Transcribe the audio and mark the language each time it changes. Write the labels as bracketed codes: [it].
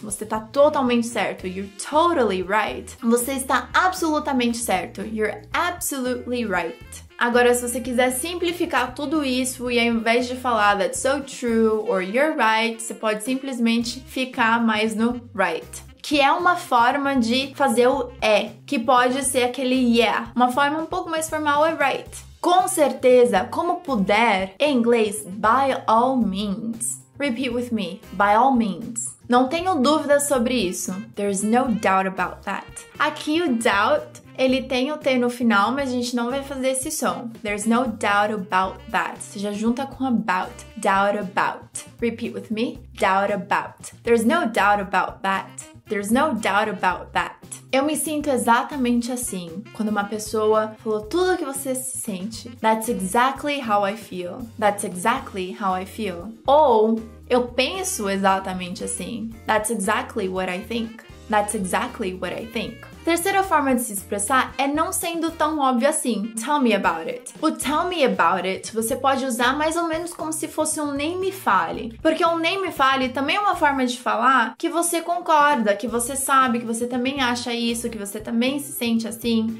[pt] Você tá totalmente certo. [en] You're totally right. [pt] Você está absolutamente certo. [en] You're absolutely right. [pt] Agora, se você quiser simplificar tudo isso e ao invés de falar [en] that's so true or you're right, [pt] você pode simplesmente ficar mais no right. Que é uma forma de fazer o é, que pode ser aquele yeah. Uma forma um pouco mais formal é right. Com certeza, como puder, em inglês, [en] by all means. Repeat with me, by all means. [pt] Não tenho dúvida sobre isso. [en] There's no doubt about that. [pt] Aqui o doubt, ele tem o T no final, mas a gente não vai fazer esse som. [en] There's no doubt about that. [pt] Você já junta com about. [en] Doubt about. Repeat with me, doubt about. There's no doubt about that. There's no doubt about that. [pt] Eu me sinto exatamente assim, quando uma pessoa falou tudo o que você se sente. [en] That's exactly how I feel. That's exactly how I feel. [pt] Ou, eu penso exatamente assim. [en] That's exactly what I think. That's exactly what I think. [pt] Terceira forma de se expressar é não sendo tão óbvio assim. [en] Tell me about it. [pt] O tell me about it, você pode usar mais ou menos como se fosse um nem me fale. Porque um nem me fale também é uma forma de falar que você concorda, que você sabe, que você também acha isso, que você também se sente assim.